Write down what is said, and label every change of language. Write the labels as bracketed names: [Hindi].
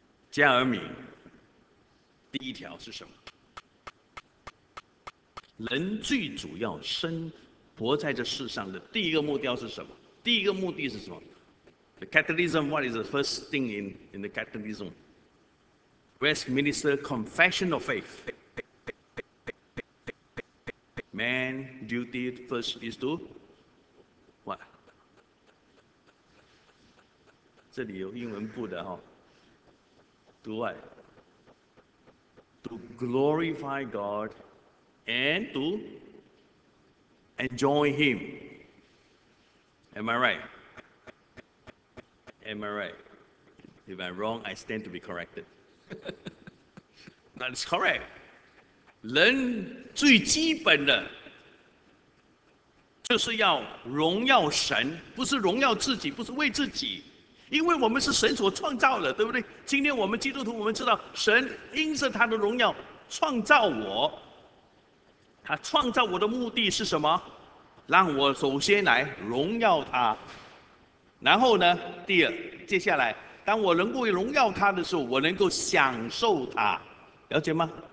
[Chinese] 家而敏，第一条是什么？人最主要生活在这世上的第一个目标是什么？第一个目的是什么？ [English] The Catholicism, what is the first thing in the Catholicism? Westminster Confession of Faith. Man, duty first is to what? [Chinese] 这里有英文部的哈、哦。 [English] To what? To glorify God and to enjoy him. Am I right? Am I right? If I'm wrong, I stand to be corrected. That is correct. [Chinese] 人最基本的就是要荣耀神，不是荣耀自己，不是为自己，因为我们是神所创造的，对不对？今天我们基督徒，我们知道神因着他的荣耀创造我，他创造我的目的是什么？让我首先来荣耀他，然后呢，第二，接下来，当我能够荣耀他的时候，我能够享受他，了解吗？